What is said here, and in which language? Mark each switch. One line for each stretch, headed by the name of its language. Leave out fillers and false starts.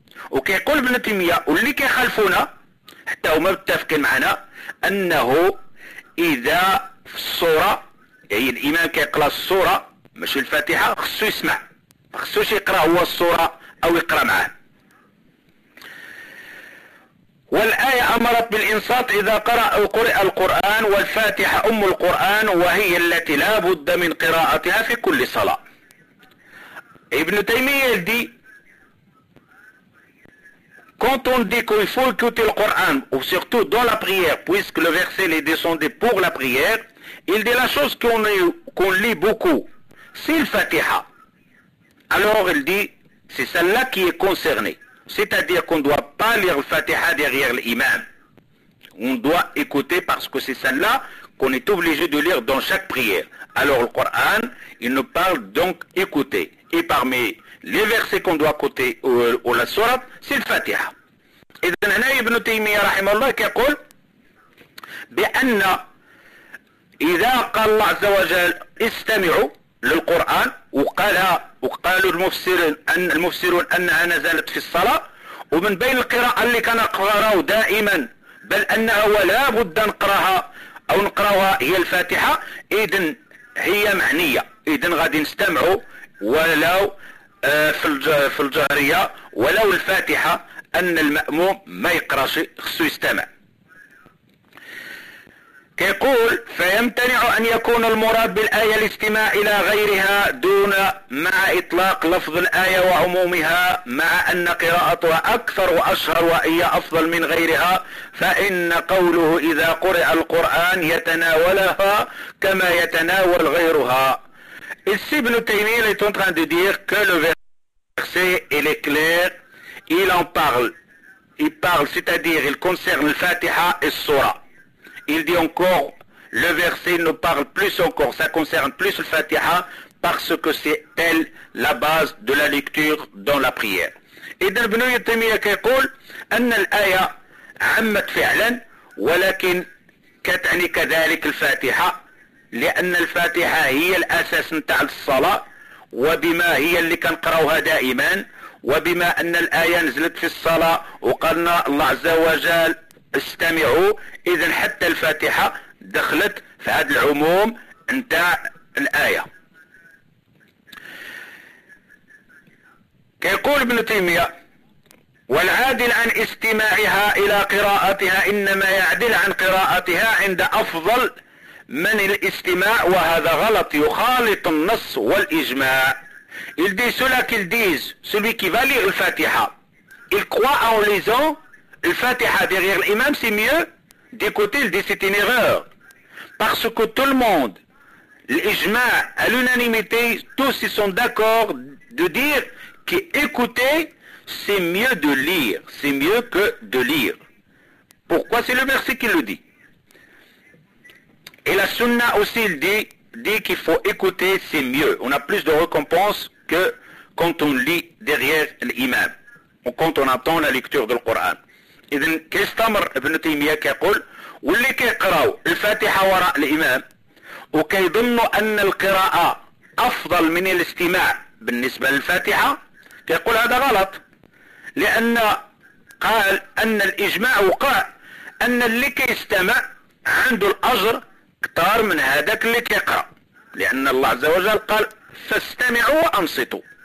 Arabic: وكيقول ابن تيمية واللي كيخالفونا حتى هما متفقين معنا انه اذا في الصورة يعني الامام كيقرا الصورة ماشي الفاتحة خصو يسمع ما خصوش يقرا هو الصورة او يقرا معاه. والآية أمرت بالإنصات إذا قرأ أو قرأ القرآن، والفاتحة أم القرآن وهي التي لا بد من قراءتها في كل صلاة.
French: ابن تيمية دي quand on dit qu'il faut écouter le Coran, ou surtout dans la prière, puisque le verset est descendu pour la prière, il dit la chose qu'on lit beaucoup, c'est le Fatiha. Alors il dit, c'est celle-là qui est concernée. C'est-à-dire qu'on ne doit pas lire le Fatiha derrière l'imam. On doit écouter parce que c'est celle-là qu'on est obligé de lire dans chaque prière. Alors le Coran, il nous parle donc écouter. Et parmi les versets qu'on doit côté ou la sourate, c'est le Fatiha. Et donc, il y a Ibn Taymiyyah, rahimahullah, qui dit
Arabic: بِأَنَّ إِذَا قَالَ اللَّهُ عَزَّ وَجَلَّ اسْتَمِعُوا لِلْقُرْآنِ وقالوا المفسرون أنها نزلت في الصلاة، ومن بين القراءة اللي كان أقرأها دائما بل أنها ولا بد أن نقرأها أو نقرأها هي الفاتحة، إذن هي معنية، إذن غادي نستمعوا ولو في الجهرية ولو الفاتحة أن المأموم ما يقرأش خصو يستمع. يقول: فيمتنع أن يكون المراد بالآية الاستماع إلى غيرها دون مع إطلاق لفظ الآية وعمومها، مع أن قراءتها أكثر وأشهر وهي أفضل من غيرها، فإن قوله إذا قرأ القرآن يتناولها كما يتناول غيرها.
French: السي ابن تيمية est en train de dire que le verset est clair, il en parle. Il parle, c'est-à-dire il concerne le Fatiha et le Surah. Il dit encore, le verset nous parle plus encore, ça concerne plus le Fatiha, parce que c'est elle la base de la lecture dans la prière. Et dans le Ibn Taymiyyah qui dit,
Arabic: أن الآية عمت فعلا ولكن كتعني كذلك الفاتحة لأن الفاتحة هي الأساس نتاع الصلاة وبما هي اللي كنقراوها دائما وبما أن الآية نزلت في الصلاة وقالنا الله عز وجل استمعوا، إذا حتى الفاتحة دخلت في هذا العموم نتاع الآية. كيقول ابن تيمية: والعادل عن استماعها إلى قراءتها إنما يعدل عن قراءتها عند أفضل من الاستماع، وهذا غلط يخالط النص والإجماع.
French: Il dit cela qu'ils disent, celui qui va lire le Fatiha, il croit en lisant le Fatiha derrière l'imam, c'est mieux d'écouter, il dit c'est une erreur. Parce que tout le monde, l'ijma, à l'unanimité, tous ils sont d'accord de dire qu'écouter, c'est mieux de lire, c'est mieux que de lire. Pourquoi? C'est le verset qui le dit. Et la sunna aussi, il dit, dit qu'il faut écouter, c'est mieux. On a plus de récompenses que quand on lit derrière l'imam, ou quand on attend la lecture du Coran.
Arabic: إذن كيستمر ابن تيمية كيقول واللي كيقراو الفاتحة وراء الإمام وكيظن أن القراءة أفضل من الاستماع بالنسبة للفاتحة كيقول هذا غلط، لأن قال أن الإجماع وقع أن اللي كيستمع عنده الأجر أكثر من هذاك اللي كيقرأ، لأن الله عز وجل قال فاستمعوا وأنصتوا.